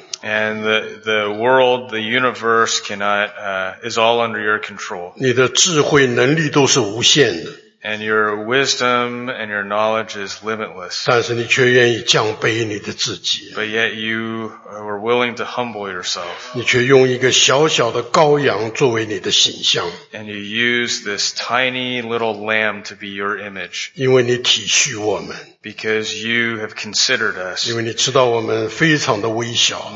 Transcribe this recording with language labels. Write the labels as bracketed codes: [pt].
[en] And the world, the universe cannot, is all under your control. [zh] 你的智慧能力都是无限的。 [en] And your wisdom and your knowledge is limitless. [zh] 但是你却愿意降卑你的自己。 [en] But yet you were willing to humble yourself. [zh] 你却用一个小小的羔羊作为你的形象。 [en] And you use this tiny little lamb to be your image. [zh] 因为你体恤我们。 [en] Because you have considered us. [zh] 因为你知道我们非常的微小。